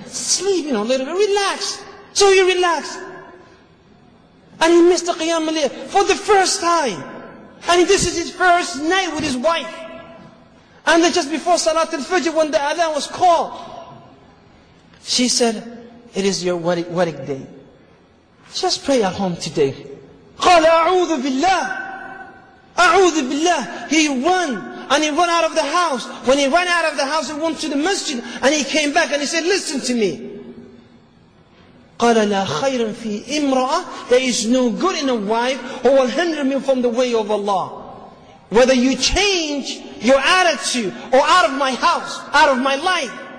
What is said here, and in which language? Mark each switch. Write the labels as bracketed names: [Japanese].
[English] Sleep, you know, a little bit, relax. So he relaxed. And he missed the Qiyam al-Layl for the first time. And this is his first night with his wife. And then just before Salat al-Fajr, when the adhan was called, she said, it is your wedding day. Just pray at home today. [Arabic] قَالَ أَعُوذُ بِاللَّهِ أعوذ بالله. [English] He ran and he ran out of the house. When he ran out of the house, he went to the masjid and he came back and he said, listen to me. [Arabic] قَالَ لَا خَيْرٌ فِي إِمْرَأَةٍ. [English] There is no good in a wife who will hinder me from the way of Allah. Whether you change your attitude or out of my house, out of my life.